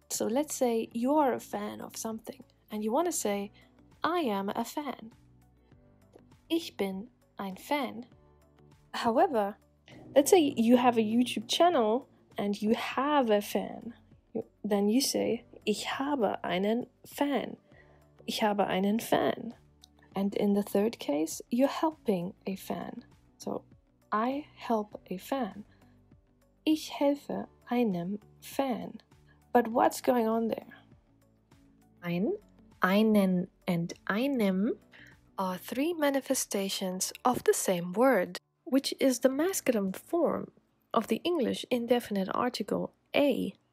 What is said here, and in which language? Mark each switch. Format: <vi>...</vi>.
<en>So let's say you are a fan of something, and you want to say, I am a fan.</en> <de>Ich bin ein Fan.</de> <en>However, let's say you have a YouTube channel and you have a fan. Then you say,</en> <de>ich habe einen Fan. Ich habe einen Fan.</de> <en>And in the third case, you're helping a fan. So, I help a fan.</en> <de>Ich helfe einem Fan.</de> <en>But what's going on there? Ein, einen, and einem are three manifestations of the same word, which is the masculine form of the English indefinite article a.</en>